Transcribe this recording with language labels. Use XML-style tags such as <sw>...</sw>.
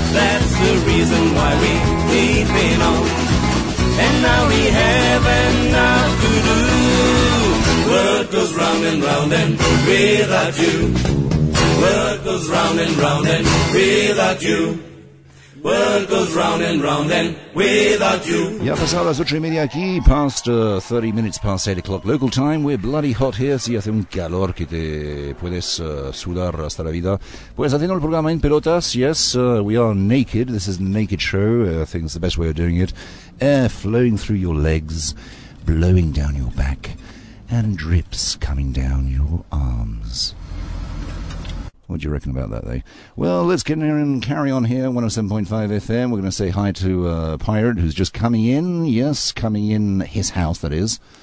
<en>That's the reason why we keep it on. And now we have enough to do. World goes round and round and without you. World goes round and round and without you. World goes round and round and without you. Yeah, for Sala Zutri Media aquí, past 30 minutes past 8 o'clock local time. We're bloody hot here.</en> <es>Si hace un calor que te puedes sudar hasta la vida. Pues haciendo el programa en pelotas,</es> <en>yes, we are naked. This is the naked show. I think it's the best way of doing it. Air flowing through your legs, blowing down your back, and drips coming down your arms. What do you reckon about that, though? Well, let's get in here and carry on here, 107.5 FM. We're going to say hi to Pirate, who's just coming in. Yes, coming in his house, that is.</en>